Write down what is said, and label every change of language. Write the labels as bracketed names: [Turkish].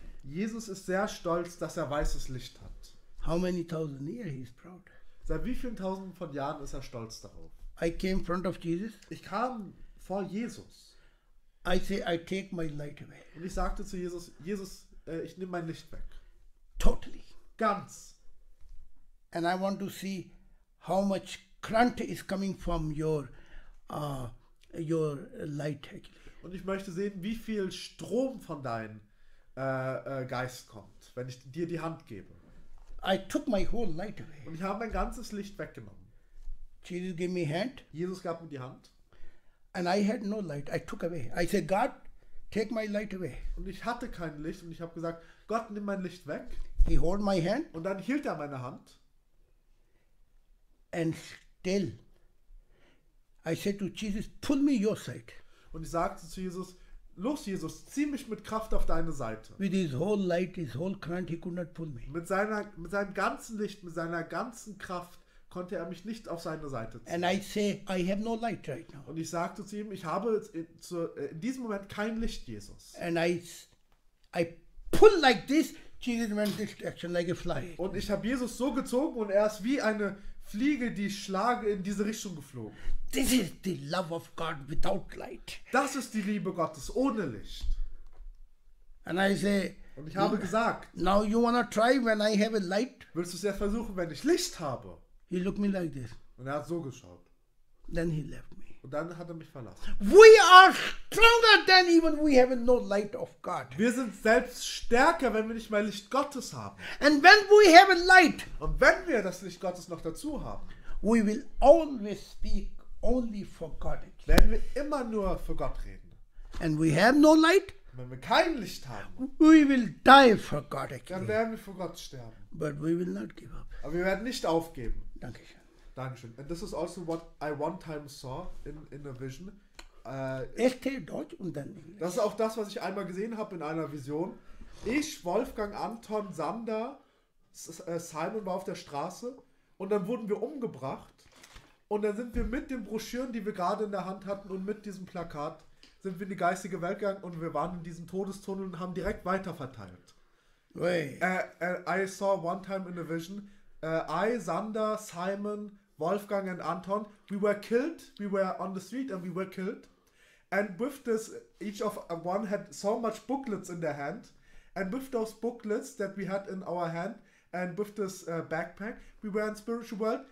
[German] Jesus ist sehr stolz, dass er weißes Licht hat. [English] How many thousand years he is proud? [German] Seit wie vielen Tausenden von Jahren ist er stolz darauf? [English] I came in front of Jesus. [German] Ich kam vor Jesus. [English] I say, I take my light away. [German] Und ich sagte zu Jesus, ich nehme mein Licht weg. [English] Totally. [German] Ganz. [English] And I want to see how much current is coming from your light actually. [German] Und ich möchte sehen, wie viel Strom von deinem Geist kommt, wenn ich dir die Hand gebe. [English] I took my whole light away. [German] Und ich habe mein ganzes Licht weggenommen. [English] Jesus gave me hand. [German] Jesus gab mir die Hand. [English] And I had no light. I took away. I said, God, take my light away. [German] Und ich hatte kein Licht und ich habe gesagt, Gott, nimm mein Licht weg. [English] He hold my hand. [German] Und dann hielt er meine Hand. [English] And still, I said to Jesus, pull me your side. [German] Und ich sagte zu Jesus, los Jesus, zieh mich mit Kraft auf deine Seite. [English] With his whole light, his whole current, he could not pull me. [German] Mit seinem ganzen Licht, mit seiner ganzen Kraft konnte er mich nicht auf seine Seite ziehen. [English] And I say, I have no light right now. [German] Und ich sagte zu ihm, ich habe in diesem Moment kein Licht, Jesus. [English] And I pull like this, Jesus went this direction like a fly. [German] Und ich habe Jesus so gezogen und er ist wie eine Fliege, die Schlage in diese Richtung geflogen. [English] This is the love of God without light. [German] Das ist die Liebe Gottes ohne Licht. [English] And I say, [German] und ich habe gesagt, [English] now you wanna try when I have a light? [German] Willst du es ja versuchen, wenn ich Licht habe? [English] He looked me like this. [German] Und er hat so geschaut. [English] Then he left me. [German] Und dann hat er mich verlassen. [English] We are stronger than even we have no light of God. [German] Wir sind selbst stärker, wenn wir nicht mehr Licht Gottes haben. [English] And when we have a light, [German] und wenn wir das Licht Gottes noch dazu haben, [English] we will always speak only for God. [German] Werden wir immer nur für Gott reden. [English] And we have no light, [German] und wenn wir kein Licht haben, [English] we will die for God again. [German] Dann werden wir für Gott sterben. [English] But we will not give up. [German] Aber wir werden nicht aufgeben. Danke schön. Dankeschön. [English] And this is also what I one time saw in a vision. [German] Erzähl Deutsch und dann. Das ist auch das, was ich einmal gesehen habe in einer Vision. Ich, Wolfgang, Anton, Sander, Simon war auf der Straße und dann wurden wir umgebracht und dann sind wir mit den Broschüren, die wir gerade in der Hand hatten und mit diesem Plakat, sind wir in die geistige Welt gegangen und wir waren in diesem Todestunnel und haben direkt weiterverteilt. [English] I saw one time in a vision. I, Sander, Simon, Wolfgang and Anton, we were killed. We were on the street and we were killed. And with this, each of one had so much booklets in their hand. And with those booklets that we had in our hand and with this backpack, we were in spiritual world.